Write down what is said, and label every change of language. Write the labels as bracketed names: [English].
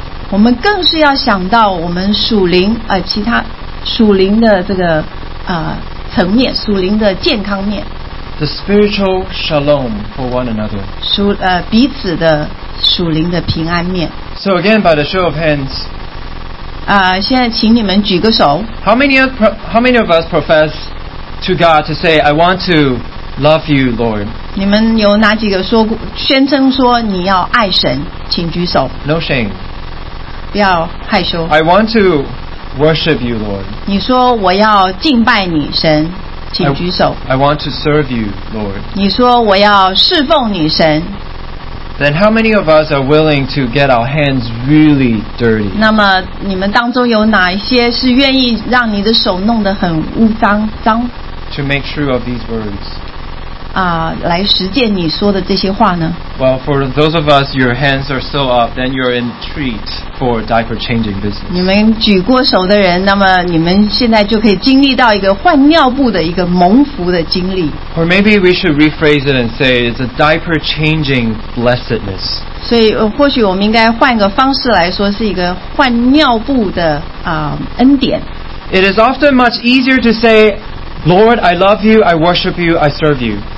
[Chinese] 我们更是要想到我们属灵其他属灵的这个层面，属灵的健康面。 [English] The spiritual shalom for one another. [Chinese] 彼此的属灵的平安面。 [English] So again, by the show of hands. [Chinese] 现在请你们举个手。 [English] How many of us profess to God to say, "I want to love you, Lord"? [Chinese] 你们有哪几个说宣称说你要爱神？请举手。 [English] No shame. [Chinese] 不要害羞。 [English] I want to worship you, Lord. [Chinese] 你说我要敬拜你，神。请举手。 [English] I want to serve you, Lord. [Chinese] 你说我要侍奉你神。 [English] Then how many of us are willing to get our hands really dirty? [Chinese] 那么你们当中有哪一些是愿意让你的手弄得很肮脏？ [English] To make true of these words. [Chinese] 来实践你说的这些话呢？ [English] Well, for those of us, your hands are still up, then you're in treat for diaper changing business. [Chinese] 你们举过手的人，那么你们现在就可以经历到一个换尿布的一个蒙福的经历。 [English] Or maybe we should rephrase it and say it's a diaper changing blessedness. [Chinese] 所以或许我们应该换个方式来说，是一个换尿布的恩典。 [English] It is often much easier to say, Lord, I love you, I worship you, I serve you.